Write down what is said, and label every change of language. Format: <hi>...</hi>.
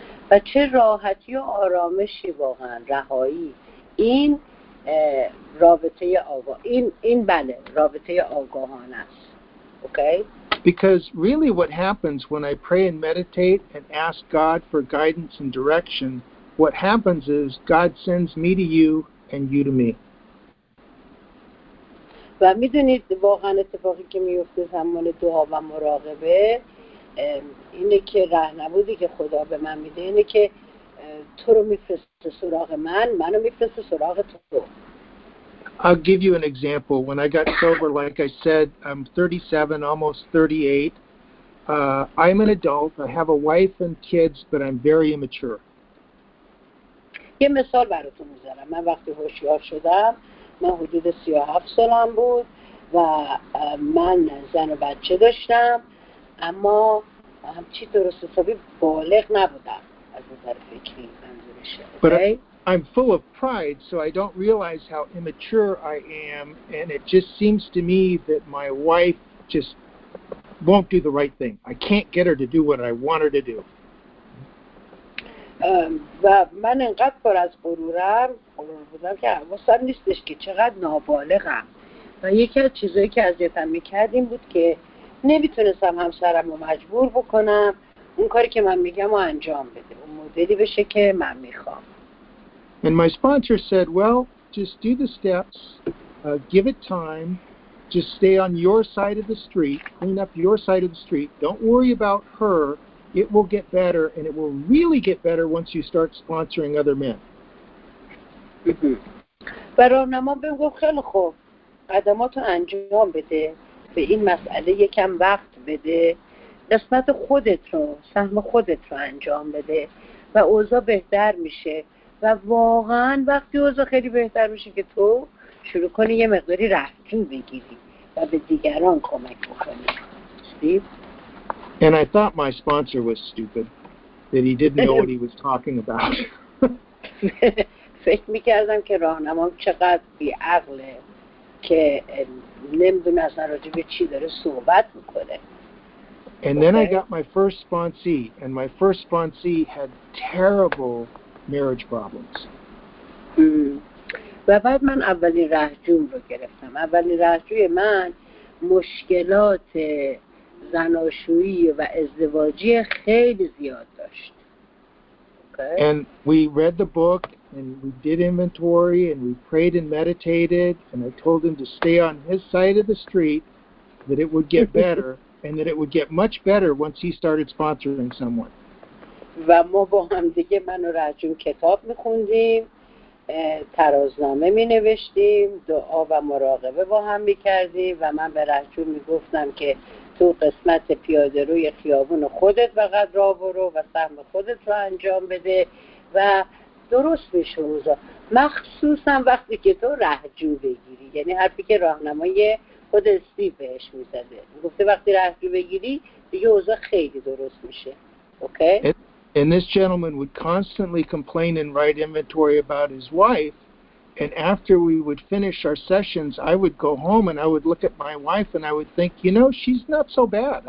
<en>But</en> <fa>چه راحتی و آرامشی واقعا، رهایی. این رابطه آگاهانه است.</fa> <en>Okay? Because really what happens when I pray and meditate and ask God for guidance and direction, what happens is God sends me to you and you to me.</en> <fa>و میدونید واقعا اتفاقی که میفته زمان دعا و مراقبه اینه که راهنمایی که خدا به من میده اینه که تو رو میفرسته سراغ من، منو میفرسته سراغ تو.</fa> <en>I'll give you an example. When I got sober, like I said, I'm 37, almost 38. I'm an adult. I have a wife and kids, but I'm very immature.</en> <fa>یه مثال براتون میذارم. من وقتی هوشیار شدم، من حدود 37 سالم بود و من زن و بچه داشتم، اما همچی درست حسابی بالغ نبودم از نظر فکری منظورش.</fa> <en>I'm full of pride, so I don't realize how immature I am, and it just seems to me that my wife just won't do the right thing. I can't get her to do what I want her to do.</en> <fa>و من انقدر پر از غرورم، غرور بودم که حواسم نیستش که چقدر نابالغم. و یکی از چیزایی که اذیتم می‌کرد این بود که نمی‌تونستم همسرم رو مجبور بکنم اون کاری که من میگم رو انجام بده، اون مدلی بشه که من می‌خوام.</fa> <en>And my sponsor said, well, just do the steps, give it time, just stay on your side of the street, clean up your side of the street, don't worry about her, it will get better, and it will really get better once you start sponsoring other men. But</en> <fa>راهنما بهم گفت خیلی خوب، قدماتو انجام بده، به این مسئله یکم وقت بده، قسمت خودت رو، سهم خودت رو انجام بده و اوضاع بهتر میشه. و واقعا وقتی اوضاع خیلی بهتر میشه که تو شروع کنی یه مقداری رهجو بگیری و به دیگران کمک بکنی.</fa> <en>And I thought my sponsor was stupid that he didn't know what he was talking about.</en> <fa>فکر میکردم که راهنمام چقدر بیعقله که نمیدونه اصلا راجع به چی داره صحبت میکنه.</fa> <en>And then I got my first sponsee, and my first sponsee had terrible marriage problems.</en> <fa>و بعد من اولین رهجوم رو گرفتم. اولین رهجوی من مشکلات زناشویی و ازدواجی خیلی زیاد داشت.</fa> <en>And we read the book and we did inventory and we prayed and meditated and I told him to stay on his side of the street, that it would get better and that it would get much better once he started sponsoring someone.</en> <fa>و ما با هم دیگه من و رجوم کتاب میخوندیم، ترازنامه مینوشتیم، دعا و مراقبه با هم میکردیم و من به رجوم میگفتم که تو قسمت پیاده روی خیابون خودت وقت را برو و سهم خودت رو انجام بده و درست میشه اوزا، مخصوصا وقتی که تو رجوع بگیری، یعنی حرفی که راهنمای خود استیو بهش میزده، گفته وقتی رجوع بگیری دیگه اوزا خیلی درست میشه.</fa> <en>Okay? And this gentleman would constantly complain and write inventory about his wife. And after we would finish our sessions, I would go home and I would look at my wife and I would think, you know, she's not so bad.</en>